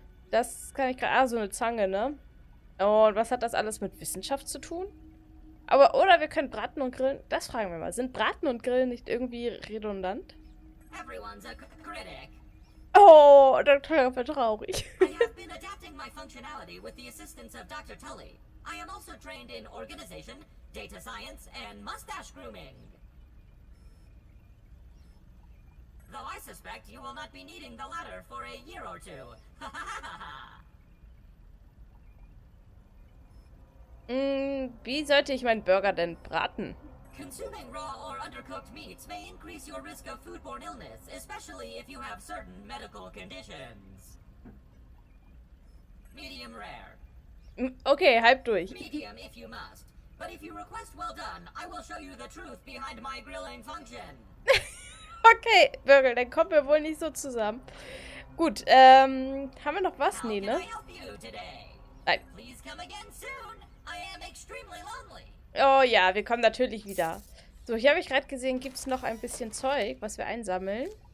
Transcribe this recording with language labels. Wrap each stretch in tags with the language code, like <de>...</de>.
<de>Das kann ich gerade. Ah, so eine Zange, ne? Und was hat das alles mit Wissenschaft zu tun? Aber, oder wir können Braten und Grillen. Das fragen wir mal. Sind Braten und Grillen nicht irgendwie redundant?</de> <en>Everyone's a critic.</en> <de>Oh, Dr. war traurig.</de> <en>I have been adapting my functionality with the assistance of Dr. Tully. I am also trained in organization, data science, and mustache grooming. Though I suspect you will not be needing the latter for a year or two.</en> <de>Wie sollte ich meinen Burger denn braten?</de> <en>Consuming raw or undercooked meats may increase your risk of foodborne illness, especially if you have certain medical conditions. Medium rare.</en> <de>Okay, halb durch.</de> <en>Medium if you must. But if you request well done, I will show you the truth behind my grilling function.</en> <de>Okay, Burger, dann kommen wir wohl nicht so zusammen. Gut, haben wir noch was?</de> <en>How</en> <de>Nee,</de> <en>can I</en> <de>ne?</de> <en>help you today?</en> <de>Nein.</de> <en>Please come again soon. I am extremely lonely.</en> <de>Oh ja, wir kommen natürlich wieder. So, hier habe ich gerade gesehen, gibt es noch ein bisschen Zeug, was wir einsammeln.</de>